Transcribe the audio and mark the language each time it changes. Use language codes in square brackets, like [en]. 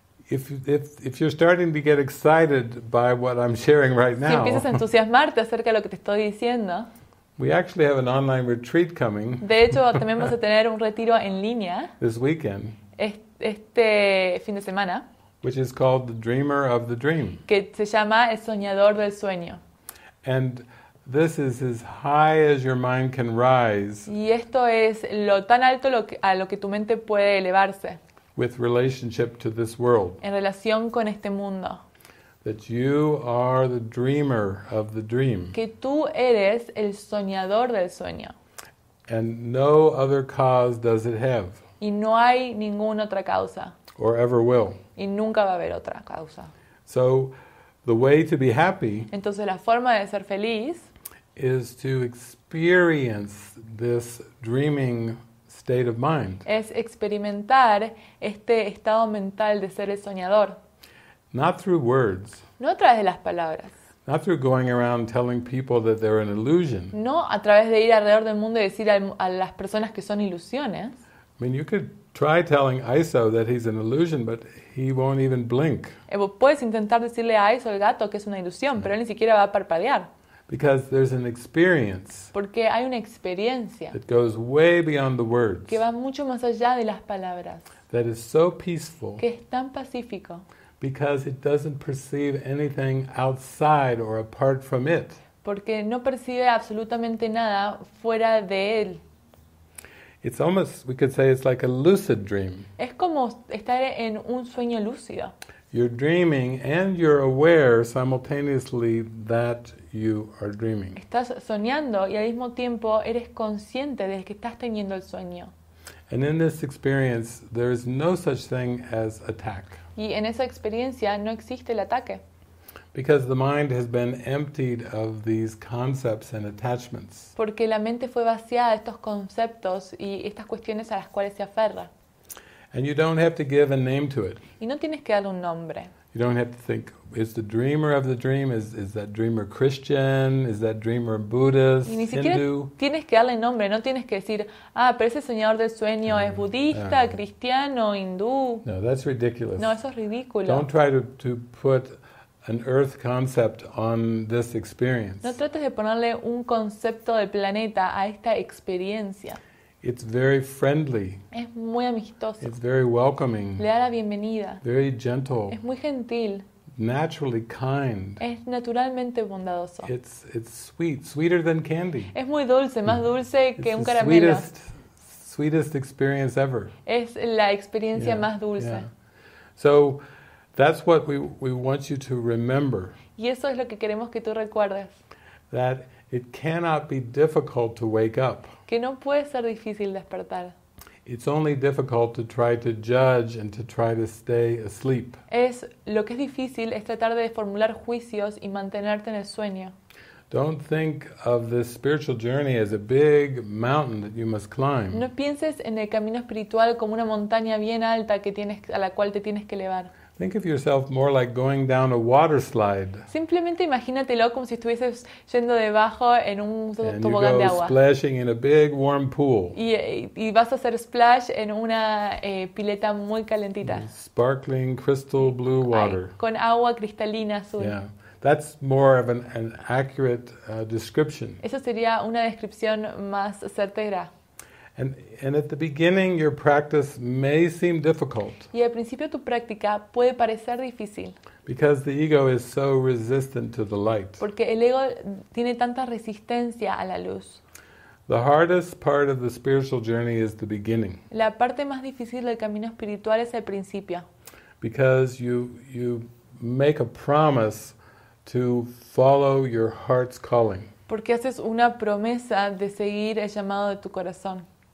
[en] If you're starting to get excited by what I'm sharing right now, [es] si empiezas a entusiasmarte acerca de lo que te estoy diciendo, [en] we actually have an online retreat coming. [es] De hecho, también vamos a tener un retiro en línea [en] this weekend. [es] Este fin de semana, [en] which is called the Dreamer of the Dream. [es] Que se llama el soñador del sueño. [en] And this is as high as your mind can rise. [es] Y esto es lo tan alto a lo que tu mente puede elevarse. [en] With relationship to this world. [es] En relación con este mundo. [en] That you are the dreamer of the dream. [es] Que tú eres el soñador del sueño. [en] And no other cause does it have. [es] Y no hay ninguna otra causa. [en] Or ever will. [es] Y nunca va a haber otra causa. [en] So, the way to be happy. [es] Entonces la forma de ser feliz. [en] Is to experience this dreaming state of mind. [es] Es experimentar este estado mental de ser el soñador. [en] Not through words. [es] No a través de las palabras. [en] Not through going around telling people that they're an illusion. [es] No a través de ir alrededor del mundo y decir a las personas que son ilusiones. [en] I mean, you could try telling ISO that he's an illusion, but he won't even blink. [es] Puedes intentar decirle a ISO, el gato, que es una ilusión, pero él ni siquiera va a parpadear. [en] Because there's an experience. [es] Porque hay una experiencia. [en] That goes way beyond the words. [es] Que va mucho más allá de las palabras. [en] That is so peaceful. [es] Que es tan pacífico. [en] Because it doesn't perceive anything outside or apart from it. [es] Porque no percibe absolutamente nada fuera de él. [en] It's almost, we could say, it's like a lucid dream. [es] Es como estar en un sueño lúcido. [en] You're dreaming and you're aware simultaneously that you are dreaming. [es] Estás soñando y al mismo tiempo eres consciente de que estás teniendo el sueño. [en] And in this experience, there is no such thing as attack. [es] Y en esa experiencia no existe el ataque. [en] Because the mind has been emptied of these concepts and attachments. [es] Porque la mente fue vaciada de estos conceptos y estas cuestiones a las cuales se aferra. [en] And you don't have to give a name to it. [es] Y no tienes que darle un nombre. [en] You don't have to think, is the dreamer of the dream, is that dreamer Christian, is that dreamer Buddhist, [es] Hindu? Y ni siquiera [en] Hindu? [es] Tienes que darle nombre, no tienes que decir, ah, pero ese soñador del sueño es budista, cristiano, hindú. [en] No, that's ridiculous. [es] No, eso es ridículo. [en] Don't try to put an earth concept on this experience. [es] No trates de ponerle un concepto del planeta a esta experiencia. [en] It's very friendly. [es] Es muy amistoso. [en] It's very welcoming. [es] Le da la bienvenida. [en] Very gentle. [es] Es muy gentil. [en] Naturally kind. [es] Es naturalmente bondadoso. [en] It's sweet, sweeter than candy. [es] Es muy dulce, más dulce que [en] it's [es] un caramelo. [en] Sweetest experience ever. [es] Es la experiencia más dulce. [en] Yeah. So that's what we want you to remember. [es] Y eso es lo que queremos que tú recuerdes. [en] That it cannot be difficult to wake up. [es] Que no puede ser difícil despertar. [en] It's only difficult to try to judge and to try to stay asleep. [es] Es lo que es difícil es tratar de formular juicios y mantenerte en el sueño. [en] Don't think of this spiritual journey as a big mountain that you must climb. [es] No pienses en el camino espiritual como una montaña bien alta que tienes a la cual te tienes que elevar. [en] Think of yourself more like going down a water slide. [es] Simplemente imagínatelo como si estuvieses yendo debajo en un [en] and [es] tobogán [en] you go [es] de agua. [en] Splashing in a big warm pool. [es] Y vas a hacer splash en una pileta muy calentita. [en] Sparkling crystal blue water. [es] Ay, con agua cristalina azul. [en] Yeah. That's more of an accurate description. [es] Eso sería una descripción más certera. [en] And at the beginning, your practice may seem difficult. [es] Y al principio tu práctica puede parecer difícil. [en] Because the ego is so resistant to the light. [es] Porque el ego tiene tanta resistencia a la luz. [en] The hardest part of the spiritual journey is the beginning. [es] La parte más difícil del camino espiritual es el principio. [en] Because you make a promise to follow your heart's calling. [es] Porque haces una promesa de seguir el llamado de tu corazón.